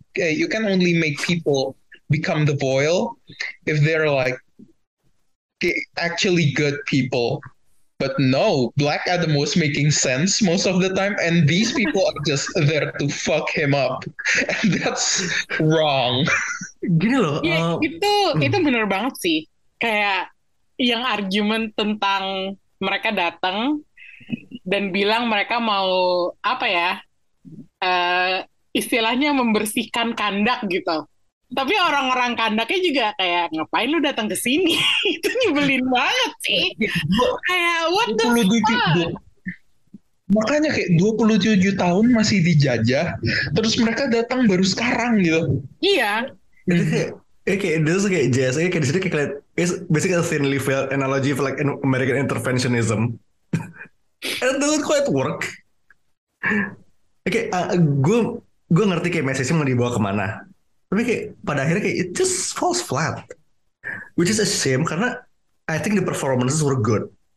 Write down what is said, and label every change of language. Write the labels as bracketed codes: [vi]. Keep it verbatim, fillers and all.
[en] You can only make people become the foil if they're like actually good people. But no, Black Adam was making sense most of the time, and these people are just there to fuck him up. And that's wrong. [id] Gini loh. Ya, itu itu benar banget sih. Kayak yang argumen tentang mereka datang dan bilang mereka mau apa ya, uh, istilahnya membersihkan kandak gitu. Tapi orang-orang kandaknya juga kayak, ngapain lu datang ke sini? Itu nyebelin banget sih. Kayak [en] what the fuck? [id] Makanya kayak dua puluh tujuh tahun masih dijajah, terus mereka datang baru sekarang gitu. Iya. [en] Okay, this is kayak J S A [id] kayak di sini kayak [en] it's basically a thinly veiled analogy for like American interventionism. It doesn't quite work. Okay, [id] uh, gue gue ngerti kayak message-nya mau dibawa kemana. Tapi kayak pada akhirnya kayak [en] it just falls flat, which is a shame karena I think the performances were good.